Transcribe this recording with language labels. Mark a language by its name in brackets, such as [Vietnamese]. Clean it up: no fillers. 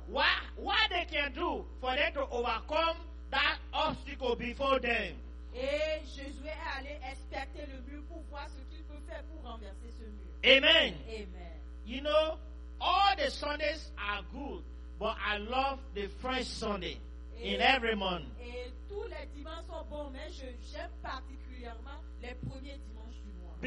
[English] What they can do for them to overcome that obstacle before them? [French] Et Josué est allé inspecter le mur pour voir ce qu'il peut faire pour renverser ce mur. [English] Amen. Amen. You know, all the Sundays are good, but I love the first Sunday in every month. [French] Et tous les dimanches sont bons, mais j'aime particulièrement les premiers dimanches du mois.